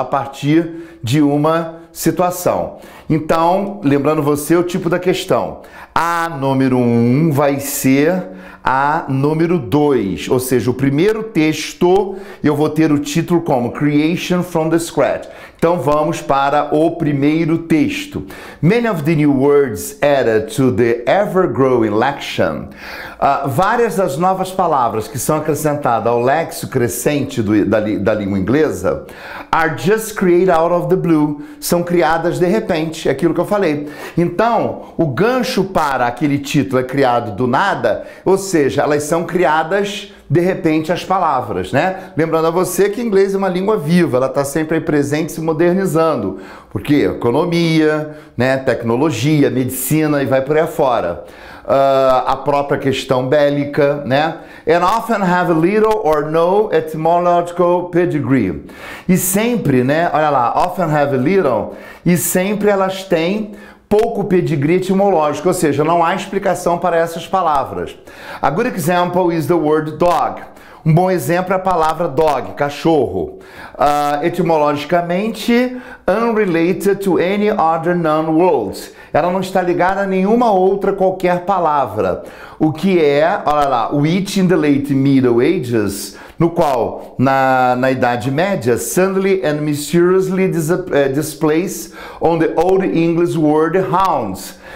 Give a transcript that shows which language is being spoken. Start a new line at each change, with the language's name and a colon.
Portuguese: A partir de uma situação. Então, lembrando você, o tipo da questão. A número 1 vai ser... A número 2, ou seja, o primeiro texto, eu vou ter o título como
English: Creation from the Scratch.
Portuguese: Então vamos para o primeiro texto.
English: Many of the new words added to the ever-growing lexicon.
Portuguese: Várias das novas palavras que são acrescentadas ao léxico crescente da língua inglesa
English: are just created out of the blue.
Portuguese: São criadas de repente, é aquilo que eu falei. Então, o gancho para aquele título é criado do nada, ou seja, elas são criadas... De repente, as palavras, né? Lembrando a você que inglês é uma língua viva, ela está sempre aí presente se modernizando. Por quê? Economia, né? Tecnologia, medicina e vai por aí afora. A própria questão bélica, né?
English: And often have little or no etymological pedigree.
Portuguese: E sempre, né? Olha lá,
English: often have little,
Portuguese: e sempre elas têm... Pouco pedigree etimológico, ou seja, não há explicação para essas palavras.
English: A good example is the word dog.
Portuguese: Um bom exemplo é a palavra dog, cachorro.
English: Etimologicamente, unrelated to any other known words.
Portuguese: Ela não está ligada a nenhuma outra qualquer palavra. O que é, olha lá,
English: which in the late Middle Ages,
Portuguese: no qual, na Idade Média,
English: suddenly and mysteriously displaced on the old English word hounds.